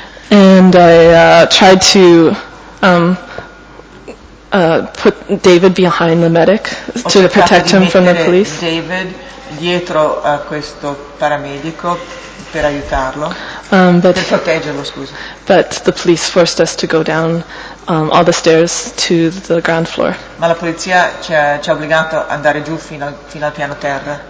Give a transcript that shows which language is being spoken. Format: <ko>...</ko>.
<en>And I tried to put David behind the medic to protect him from the police.</en> <it>David dietro a questo paramedico per aiutarlo, per proteggerlo, scusa.</it> <en>But the police forced us to go down all the stairs to the ground floor.</en> <it>Ma la polizia ci ha obbligato ad andare giù fino al piano terra.</it>